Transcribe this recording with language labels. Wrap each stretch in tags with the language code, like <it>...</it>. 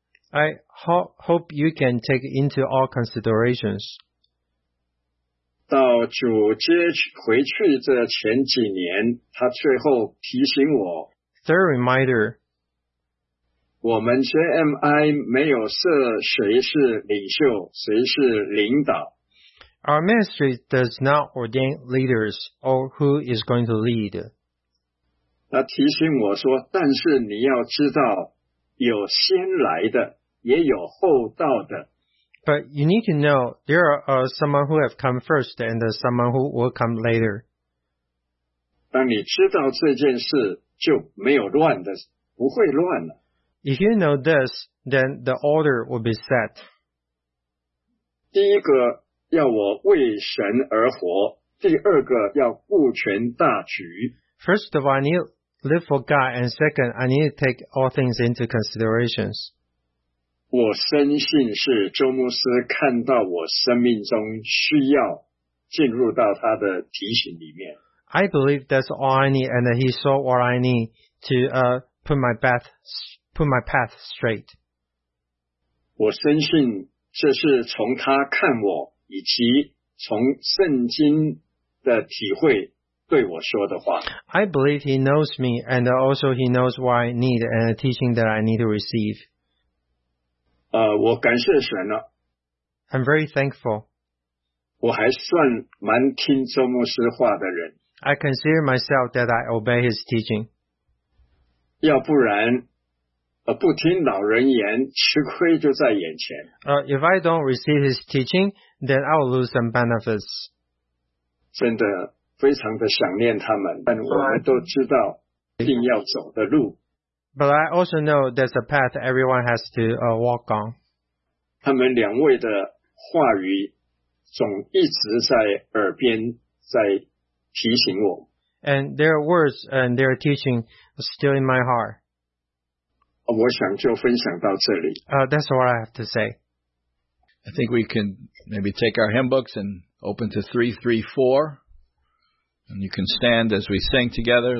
<en>I hope you can take into all considerations.</en> <zh>到主接回去这前几年，他最后提醒我。</zh> <en>Third reminder.</en> <zh>我们 JMI 没有设谁是领袖，谁是领导。</zh> <en>Our ministry does not ordain leaders or who is going to lead.</en> <zh>他提醒我说，但是你要知道，有先来的，也有后到的。</zh> <en>But you need to know, there are someone who have come first and someone who will come later.</en> <zh>当你知道这件事，就没有乱的，不会乱了。</zh> <en>If you know this, then the order will be set.</en> <zh>第一个要我为神而活，第二个要顾全大局。</zh> <en>First of all, I need to live for God, and second, I need to take all things into considerations.</en> <zh>我深信是周牧师看到我生命中需要进入到他的提醒里面。</zh> <en>I believe that's all I need, and he saw what I need to put my path straight.</en> <zh>我深信这是从他看我以及从圣经的体会对我说的话。</zh> <en>I believe he knows me and also he knows what I need and the teaching that I need to receive.</en> <zh>我感谢神了。</zh> <en>I'm very thankful.</en> <zh>我还算蛮听周牧师话的人。</zh> <en>I consider myself that I obey his teaching.</en> <zh>要不然不听老人言，吃亏就在眼前。</zh> <en>If I don't receive his teaching, then I will lose some benefits.</en> <zh>真的非常的想念他们，但我们都知道一定要走的路。</zh> <en>But I also know there's a path everyone has to walk on.</en> <zh>他们两位的话语总一直在耳边在提醒我。</zh> <en>And their words and their teaching are still in my heart.</en> <zh>我想就分享到这里。</zh> <en>That's all I have to say. I think we can maybe take our hymn books and open to 334. And you can stand as we sing together.</en>